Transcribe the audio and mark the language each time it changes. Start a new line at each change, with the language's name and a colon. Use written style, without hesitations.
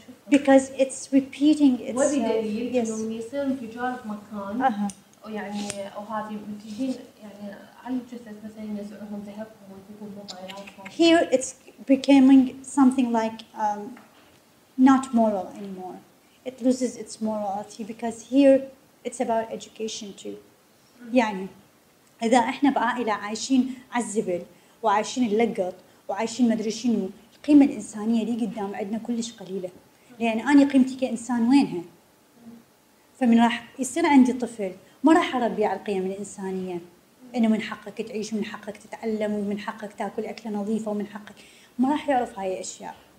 English: Because it's repeating itself.
Arabic: وبدليل إنه يصير انفجار في مكان. ويعني وهذه متجهين يعني على الجثث مثلاً ينزعوهم ذهبهم ويجيبون مطاياتهم.
English: Here it's becoming something like not moral anymore. It loses its morality because here it's about education too.
Arabic: يعني إذا إحنا بعائلة عايشين على الزبل وعايشين اللقط وعايشين مدري شنو. القيمة الإنسانية اللي قدام عندنا كلش قليلة، لأن أنا قيمتي كإنسان وينها؟ فمن راح يصير عندي طفل ما راح أربي على القيم الإنسانية، إنه من حقك تعيش ومن حقك تتعلم ومن حقك تأكل أكلة نظيفة ومن حقك، ما راح يعرف هاي الأشياء.